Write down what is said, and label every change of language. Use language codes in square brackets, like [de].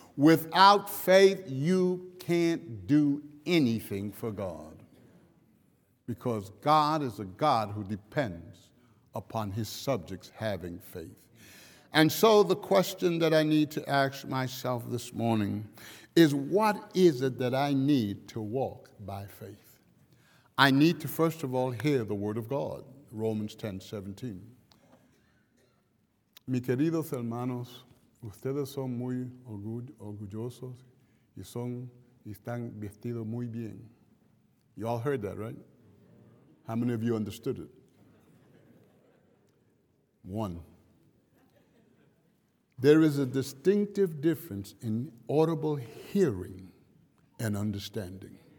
[en] Without faith, you can't do anything for God, because God is a God who depends upon his subjects having faith. And so the question that I need to ask myself this morning is, what is it that I need to walk by faith? I need to, first of all, hear the word of God, Romans 10:17. [es] Mi queridos hermanos, ustedes son muy orgullosos y son están vestidos muy bien. [en] You all heard that, right? How many of you understood it? One. There is a distinctive difference in audible hearing and understanding.